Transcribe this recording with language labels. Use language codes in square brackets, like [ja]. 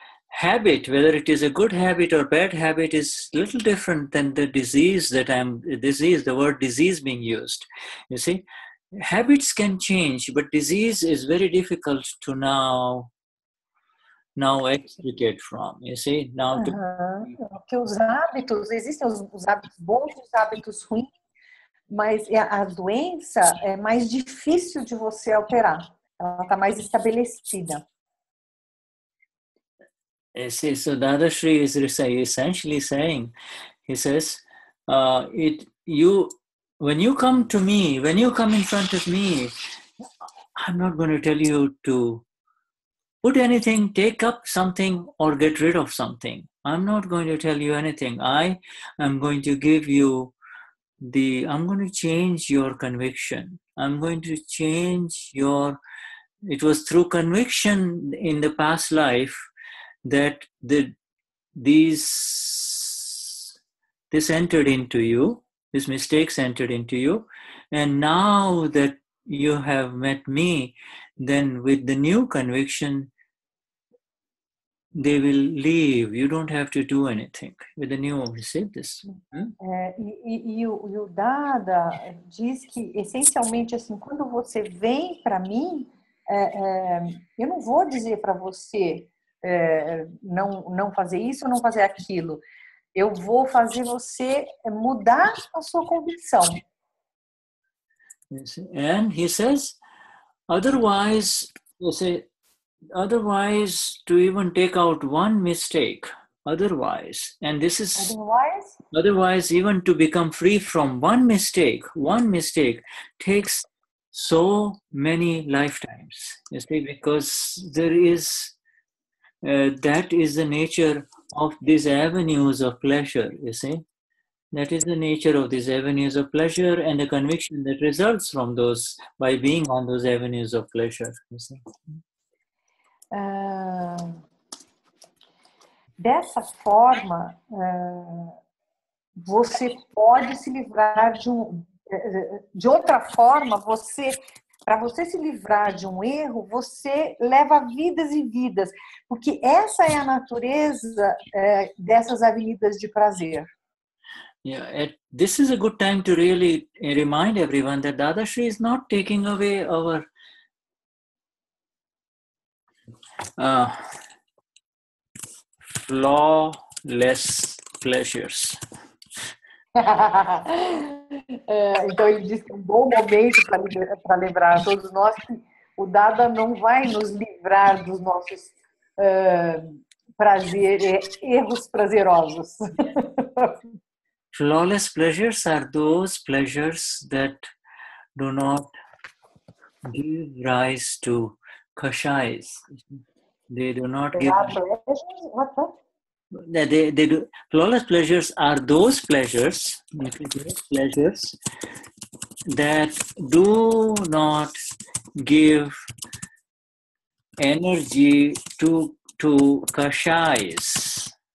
[en] Habit, whether it is a good habit or bad habit, is little different than the disease that I'm, disease, the word disease being used. You see, habits can change, but disease is very difficult to now extricate from. You see, now. [pt] Porque os hábitos, existem os hábitos bons e os hábitos ruins, mas a doença é mais difícil de você alterar. Ela está mais estabelecida. [en] See, so Dadashri is essentially saying, he says, when you come to me, when you come in front of me, I'm not going to tell you to put anything, take up something or get rid of something. I'm not going to tell you anything. I am going to give you I'm going to change your conviction. I'm going to change your, it was through conviction in the past life that this entered into you, these mistakes entered into you, and now that you have met me, then with the new conviction, they will leave. You don't have to do anything with the new. You see this? [pt] E o Dada diz que essencialmente assim, quando você vem para mim, eu não vou dizer para você não fazer isso ou não fazer aquilo. Eu vou fazer você mudar a sua convicção. [en] And he says, otherwise, to even take out one mistake, otherwise, even to become free from one mistake takes so many lifetimes. You see, because there is that is the nature of these avenues of pleasure, you see? That is the nature of these avenues of pleasure and the conviction that results from those, by being on those avenues of pleasure, you see? [pt] Dessa forma, você pode se livrar de um... De outra forma, você... Para você se livrar de um erro, você leva vidas e vidas. Porque essa é a natureza dessas avenidas de prazer. [en] This is a good time to really remind everyone that Dadashri is not taking away our... flawless pleasures. [pt] Então ele diz que é um bom momento para lembrar a todos nós que o Dada não vai nos livrar dos nossos erros prazerosos. [en] Flawless pleasures are those pleasures that do not give rise to kashais. They do not give. What that? They do. Flawless pleasures are those pleasures, pleasures that do not give energy to kashais.